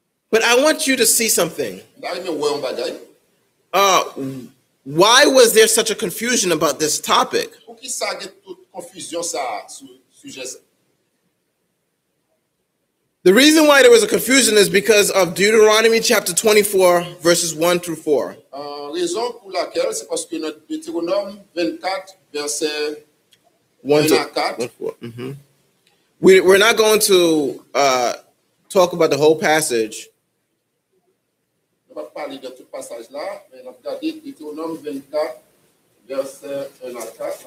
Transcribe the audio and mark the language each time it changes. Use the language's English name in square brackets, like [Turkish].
[English] But I want you to see something. Why was there such a confusion about this topic? The reason why there was a confusion is because of Deuteronomy chapter 24, verses 1 through 4. [French] Raison pour laquelle, c'est parce que notre Deutéronome 24, verset 1 à 4. Mm-hmm. [English] We're not going to talk about the whole passage. [French] On va parler de tout passage là, mais on va regarder Deutéronome 24, verset 1 à 4.